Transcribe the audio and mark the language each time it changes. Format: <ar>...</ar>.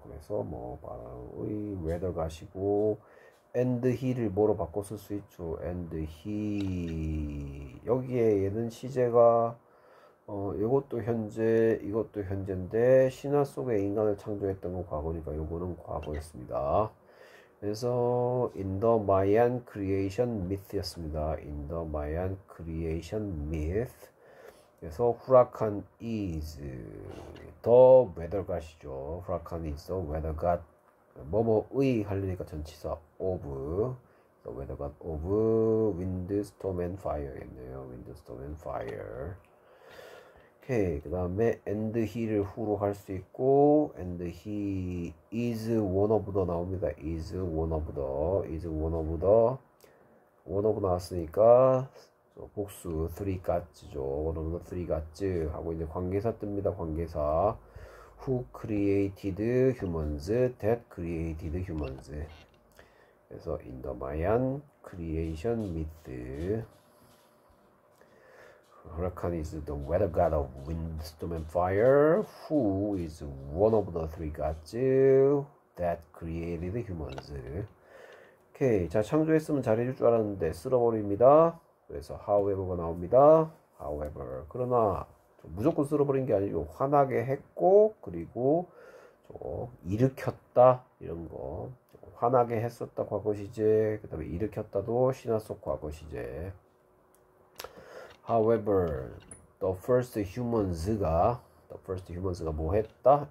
<ko>그래서 뭐, 바람의 웨더 가시고, and he를 뭐로 바꿔 쓸수 있죠. and he 여기에 얘는 시제가 이것도 현재 이것도 현재인데 신화 속에 인간을 창조했던 건 과거니까 요거는 과거였습니다.</ko> <en>그래서 in the Mayan creation myth였습니다. in the Mayan creation myth 그래서 huracan is the weather god이죠. huracan is the weather god.</en> <ko>뭐뭐의 하려니까 전치사</ko> <en>of the weather god of wind, storm and fire였네요. wind, storm and fire.</en> <ko>오케이, 그 다음에</ko> <en>and he를 who로</en> <ko>할수 있고</ko> <en>and he is one of the 나옵니다. is one of the, is one of the, one of</en> <ko>나왔으니까 복수</ko> <en>three gods죠. one of the three gods</en> <ko>하고 이제 관계사 뜹니다. 관계사.</ko> <en>Who created humans? That created humans. 그래서 in the Mayan creation myth, Huracan is the weather god of wind, storm, and fire. Who is one of the three gods that created humans?</en> <ko>오케이, 자 창조했으면 잘해줄 줄 알았는데 쓸어버립니다. 그래서 however가 나옵니다. However, 그러나 무조건 쓸어버린 게 아니고 환하게 했고 그리고 저 일으켰다 이런 거 환하게 했었다 과거 시제 그 다음에 일으켰다도 신화 속 과거 시제</ko> <en>However, the first humans</en> <ko>가 뭐 했다?</ko>